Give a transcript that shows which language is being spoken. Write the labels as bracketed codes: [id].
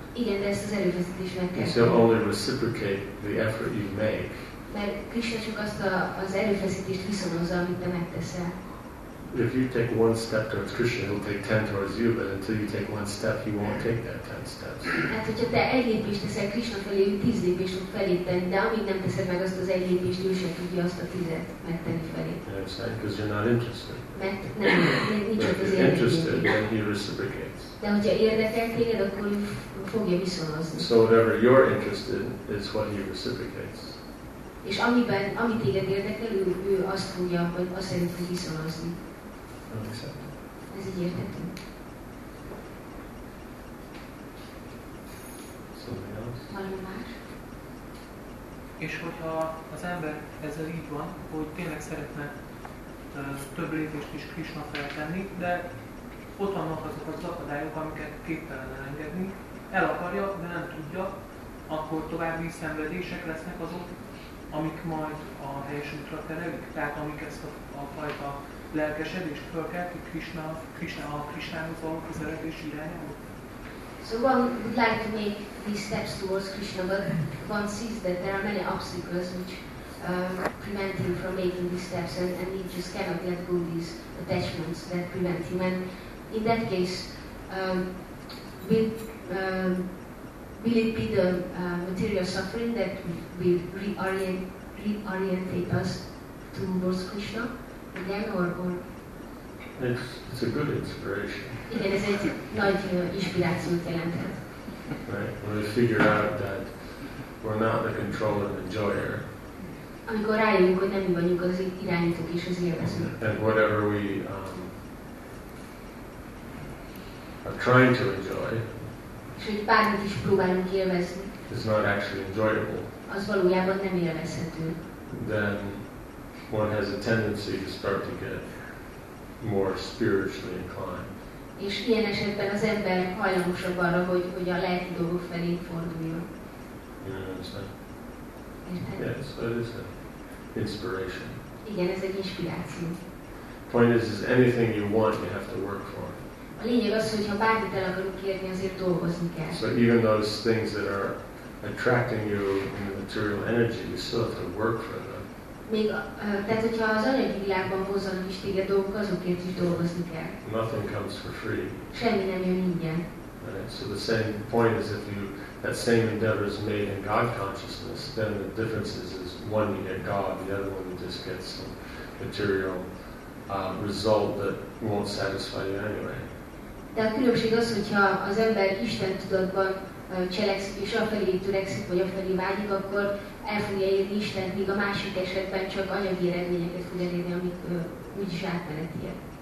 [hu] Igen, de ezt az erőfeszítés meg kell. [en] He'll only reciprocate the effort you make. [hu] Mert Krisna csak azt az erőfeszítést viszonozza, amit te megteszel. [en] if you take one step towards Krishna, he'll take 10 towards you, but until you take one step, he won't take that 10 steps. [hu] Hát, hogyha te egy lépést teszel Krishna felé, ő 10 lépést fog felíteni, de amíg nem teszed meg azt az egy lépést, ő sem tudja azt a 10-et megtenni felé. [en] Understand? Because you're not interested. [hu] Mert nem, nincs ott az [en] interested, then he reciprocates. [hu] De hogyha érdekel téged, akkor fogja viszonozni. [en] So whatever you're interested in, is what he reciprocates. [hu] És amiben, ami téged érdekel, ő azt fogja, hogy azt szerint fog viszonozni. Ez így érthető. Valami más? És hogyha az ember ezzel így van, hogy tényleg szeretne több lépést is Krishna felé tenni, de ott vannak azok az akadályok, amiket képtelen elengedni, el akarja, de nem tudja, akkor további szenvedések lesznek azok, amik majd a helyes útra terelik, tehát amik ezt a fajta lelkesedést fölkelti Krishnához való közeledés irányába. [en] So one would like to make these steps towards Krishna, but one sees that there are many obstacles which prevent him from making these steps, and he just cannot let go these attachments that prevent him. And in that case, will it be the material suffering that will reorientate us towards Krishna again, or? It's a good inspiration. [hu] Igen, ez egy nagy inspirációt jelenthet. [en] Right. When we figure out that we're not the controller and enjoyer. [hu] Amikor rájövünk, hogy nem mi vagyunk az irányítók és az élvezők. [en] And whatever we are trying to enjoy. [hu] És hogy bármit is próbálunk élvezni. [en] It's not actually enjoyable. [hu] Az valójában nem élvezhető. [en] Then one has a tendency to start to get more spiritually inclined. [hu] És ilyen esetben az ember hajlamosabb arra, hogy a lelki dolgok felé forduljon. [en] You understand? Yes, it is an inspiration. [hu] Igen, ez egy inspiráció. [en] Point is anything you want, you have to work for. [hu] A lényeg az, hogy ha bármit el akarunk érni, azért dolgozni kell. [en] So even those things that are attracting you in the material energy, you still have to work for them. [hu] Még, tehát hogyha az anyagi világban hozzanak is téged dolgok, azokért is dolgozni kell. [en] Nothing comes for free. [hu] Semmi nem jön ingyen. [en] Right. So the same point is that same endeavor is made in God consciousness, then the difference is one you get God, the other one you just get some material result that won't satisfy you anyway. [hu] De a különbség az, hogyha az ember Isten tudatban cselekszik és afelé törekszik, vagy afelé vágyik, akkor el fogja érni Istent, míg a másik esetben csak anyagi eredményeket fog elérni, amik úgyis átmenetiek.